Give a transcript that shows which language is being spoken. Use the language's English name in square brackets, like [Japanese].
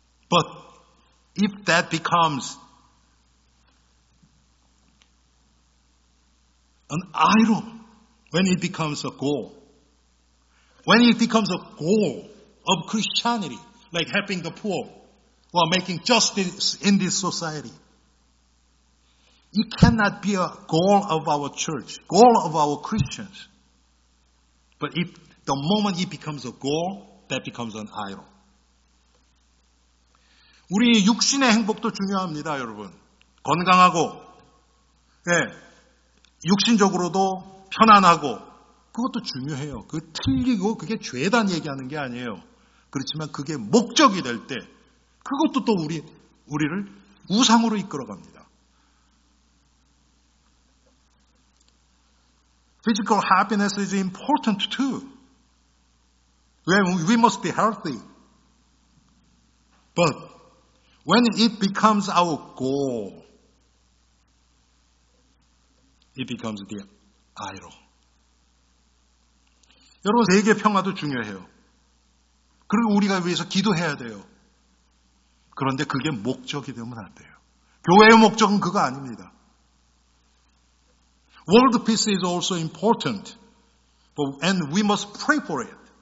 [English] But if that becomes an idol, when it becomes a goal, when it becomes a goal of Christianity, like helping the poor, who are making justice in this society. It cannot be a goal of our church, goal of our Christians. But if the moment it becomes a goal, that becomes an idol. [Korean] 우리 육신의 행복도 중요합니다, 여러분. 건강하고, 예, 육신적으로도 편안하고, 그것도 중요해요. 그 틀리고 그게 죄단 얘기하는 게 아니에요. 그렇지만 그게 목적이 될 때, 그것도 또 우리를 우상으로 이끌어갑니다. [English] Physical happiness is important too. When we must be healthy. But when it becomes our goal, it becomes the idol. [Korean] 여러분, 세계 평화도 중요해요. 그리고 우리가 위해서 기도해야 돼요. 그런데 그게 목적이 되면 안 돼요. 교회의 목적은 그거 아닙니다. [English] World peace is also important, and we must pray for it.